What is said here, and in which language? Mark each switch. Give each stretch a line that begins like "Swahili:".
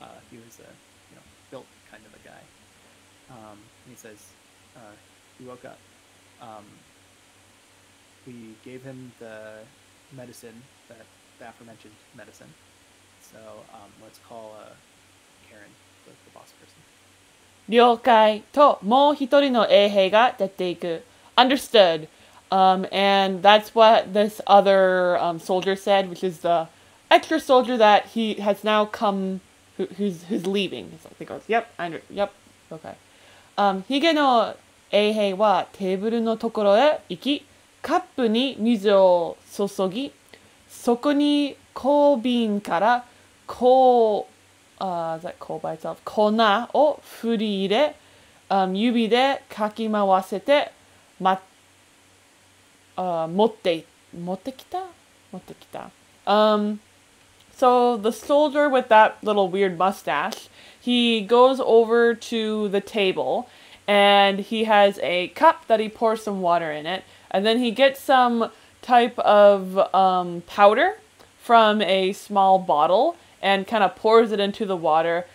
English: He was a, you know, built kind of a guy. And he says, he woke up. We gave him the medicine, the aforementioned medicine. So let's call Karen, the boss person.
Japanese: 了解と、もう一人の衛兵が出ていく。
English: Understood. And that's what this other soldier said, which is the extra soldier that he has now come, who's leaving. He goes, yep, I under, yep, okay.
Japanese: ヒゲの衛兵はテーブルのところへ行き、カップに水を注ぎ、そこに小瓶から粉、
English: is that coal by itself?
Japanese: 粉を振り入れ、指でかき回せて、ま、持ってきた。
English: So the soldier with that little weird mustache, he goes over to the table and he has a cup that he pours some water in it. And then he gets some type of powder from a small bottle and kind of pours it into the water.